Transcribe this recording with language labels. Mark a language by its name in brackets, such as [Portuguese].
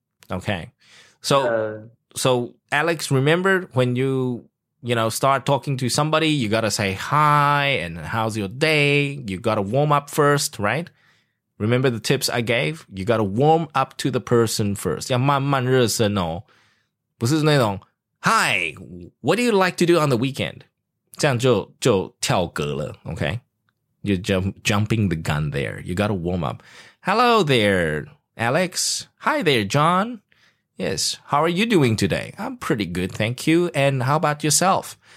[English] Okay. So, so Alex, remember when you know, start talking to somebody, you got to say hi and how's your day? You got to warm up first, right? Remember the tips I gave? You got to warm up to the person first. [Chinese] 要慢慢热身哦，不是那种。 [English] Hi, what do you like to do on the weekend? [Chinese] 这样就跳格了, [English] okay? You're jumping the gun there. You got to warm up. Hello there, Alex. Hi there, John. Yes, how are you doing today? I'm pretty good, thank you. And how about yourself?